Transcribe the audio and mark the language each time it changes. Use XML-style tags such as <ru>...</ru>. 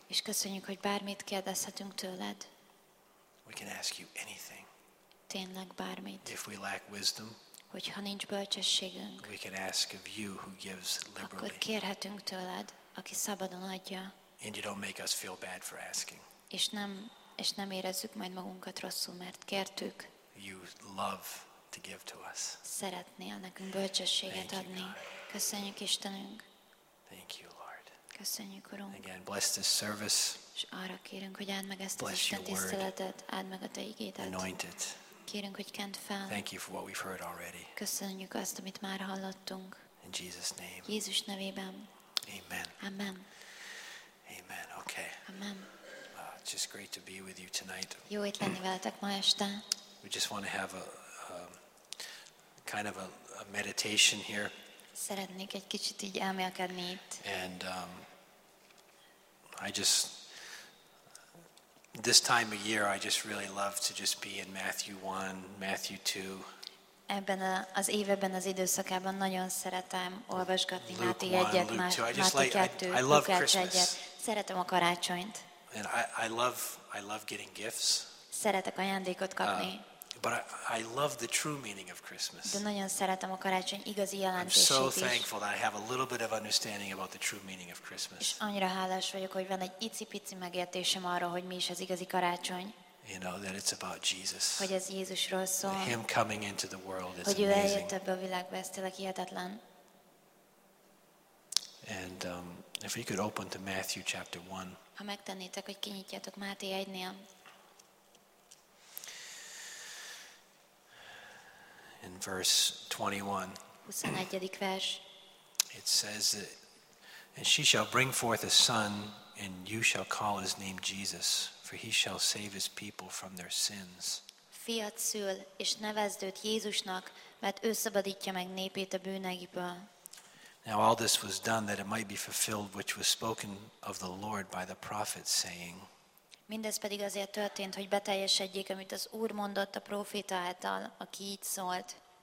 <hu>És köszönjük, hogy bármit kérdezhetünk tőled.</hu> <en>We can ask you anything.</en> <hu>Tényleg bármit.</hu> <en>If we lack wisdom,</en> <hu>hogyha nincs bölcsességünk,</hu> <en>we can ask of you who gives liberally.</en> <hu>Akkor kérhetünk tőled, aki szabadon adja.</hu> <en>And you don't make us feel bad for asking.</en> <hu>És nem érezzük majd magunkat rosszul, mert kértük.</hu> <en>You love to give to us.</en> <hu>Szeretnél nekünk bölcsességet adni. Köszönjük, Istenünk.</hu> <en>Thank you, Lord.</en> <hu>Köszönjük, Urunk.</hu> <en>Again, bless this service.</en> <hu>És arra kérünk, hogy áld meg ezt az Isten tiszteletet, áld meg a te igédet.</hu> <en>Anoint it.</en> <hu>Kérünk, hogy kent fel.</hu> <en>Thank you for what we've heard already.</en> <hu>Köszönjük azt, amit már hallottunk.</hu> <en>In Jesus' name.</en> <hu>Jézus nevében.</hu> <en>Amen.</en> <hu>Amen.</hu> <en>Amen. Okay.</en> <hu>Amen.</hu> <en>It's just great to be with you tonight.</en> <hu>Jó itt lenni veletek ma este.</hu> <en>We just want to have a kind of a meditation here.</en> <hu>Szeretnék egy kicsit így elmélkedni itt.</hu> <en>And I just this time of year I just really love to just be in Matthew 1, Matthew 2.</en> <hu>Ebben az éveben az időszakában nagyon szeretem olvasgatni Máté 1-et, Máté 2-t, Lukács 1-et. Szeretem a karácsonyt.</hu> <en>And I love getting gifts.</en> <hu>Szeretek ajándékot kapni.</hu> <en>But I love the true meaning of Christmas.</en> <hu>De nagyon szeretem a karácsony igazi jelentését.</hu> <en>I'm so thankful that I have a little bit of understanding about the true meaning of Christmas.</en> <hu>És annyira hálás vagyok, hogy van egy icipici megértésem arra, hogy mi is az igazi karácsony.</hu> <en>You know that it's about Jesus.</en> <hu>Hogy ez Jézusról szól.</hu> <en>Him coming into the world is amazing.</en> <hu>Hogy ő eljött ebbe a világba, ez tényleg hihetetlen.</hu> <en>And if we could open to Matthew chapter 1.</en> <hu>Ha megtennétek, hogy kinyitjátok Máté 1-nél.</hu> <en>In verse 21. 21. It says that, and she shall bring forth a son, and you shall call his name Jesus, for he shall save his people from their sins.</en> <hu>Fiat szül, és nevezd őt Jézusnak, mert ő szabadítja meg népét a bűneiből.</hu> <en>Now all this was done that it might be fulfilled which was spoken of the Lord by the prophet saying.</en> <hu>Mindez pedig azért történt, hogy beteljesedjék, amit az Úr mondott a próféta által, aki így szólt.</hu>